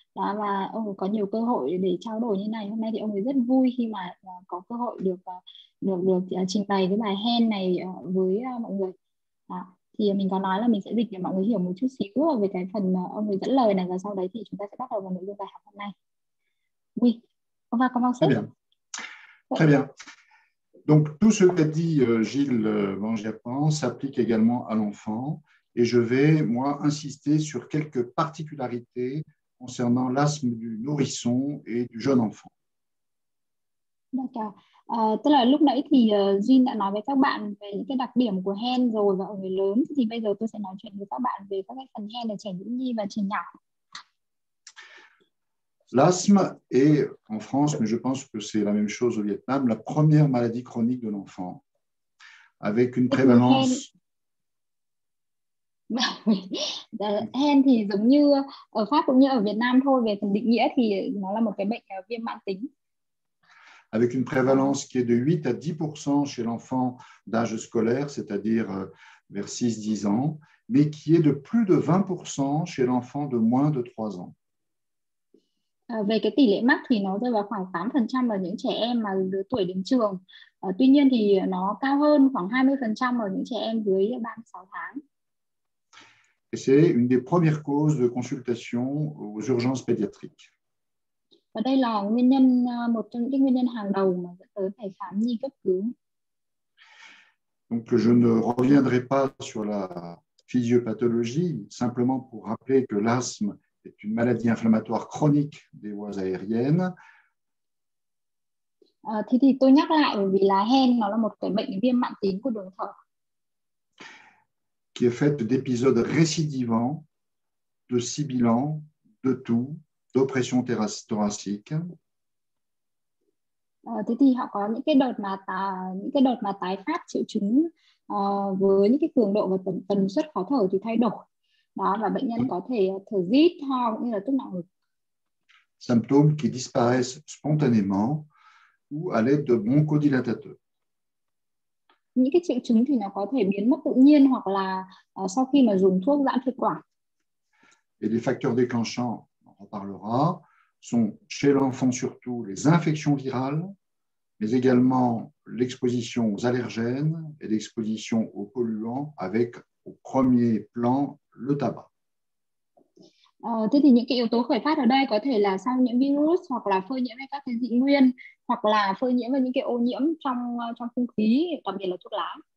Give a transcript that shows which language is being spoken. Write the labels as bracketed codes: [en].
[vi] Đó, và ông ấy có nhiều cơ hội để trao đổi như này. Hôm nay thì ông ấy rất vui khi mà có cơ hội được được trình bày cái bài hen này với mọi người. Đó. Thì mình có nói là mình sẽ dịch để mọi người hiểu một chút xíu về cái phần ông ấy dẫn lời này, và sau đấy thì chúng ta sẽ bắt đầu vào nội dung bài học hôm nay. [fr] Oui, on va Très commencer. bien. Très bien. Donc, tout ce qu'a dit Gilles Mangiapane s'applique également à l'enfant. Et je vais, moi, insister sur quelques particularités concernant l'asthme du nourrisson et du jeune enfant. D'accord. [vi] Tức là lúc nãy thì Jean đã nói với các bạn về những cái đặc điểm của hen rồi, và ở người lớn thì bây giờ tôi sẽ nói chuyện với các bạn về các cái phần hen ở trẻ nhũ nhi và trẻ nhỏ. [fr] L'asthme est en France, mais je pense que c'est la même chose au Vietnam, la première maladie chronique de l'enfant, avec une [vi] Thế thì hen [fr] prévalence. [vi] hen thì giống như ở Pháp cũng như ở Việt Nam thôi, về phần định nghĩa thì nó là một cái bệnh viêm mãn tính. [fr] Avec une prévalence qui est de 8 à 10% chez l'enfant d'âge scolaire, c'est-à-dire vers 6-10 ans, mais qui est de plus de 20% chez l'enfant de moins de 3 ans. [vi] Về cái tỷ lệ mắc thì nó rơi vào khoảng 8% ở những trẻ em mà lứa tuổi đến trường. Tuy nhiên thì nó cao hơn khoảng 20% ở những trẻ em dưới 36 tháng. [fr] Et c'est une des premières causes de consultation aux urgences pédiatriques. [vi] Và đây là nguyên nhân, một trong những nguyên nhân hàng đầu mà dẫn tới phải khám nhi cấp cứu. [fr] Donc, je ne reviendrai pas sur la physiopathologie, simplement pour rappeler que l'asthme est une maladie inflammatoire chronique des voies aériennes. [vi] Thì tôi nhắc lại, bởi vì là hen nó là một cái bệnh viêm mãn tính của đường thở. [fr] Qui est faite d'épisodes récidivants, de sibilants, de toux, d'oppression thoracique. [vi] Thế thì họ có những cái đợt mà tái phát triệu chứng với những cái cường độ và tần suất khó thở thì thay đổi. Đó, và bệnh nhân có thể thở rít, ho cũng như là tức nặng ngực. [fr] Symptômes qui disparaissent spontanément ou à l'aide de bronchodilatateurs. [vi] những cái triệu chứng thì nó có thể biến mất tự nhiên hoặc là sau khi mà dùng thuốc giãn thực quản. [fr] Et les facteurs déclenchants, on en reparlera, sont chez l'enfant surtout les infections virales, mais également l'exposition aux allergènes et l'exposition aux polluants avec au premier plan le tabac. [vi] Thế thì những cái yếu tố khởi phát ở đây có thể là sang những virus hoặc là phơi nhiễm với các cái dị nguyên hoặc là phơi nhiễm với những cái ô nhiễm trong trong không khí, đặc biệt là thuốc lá.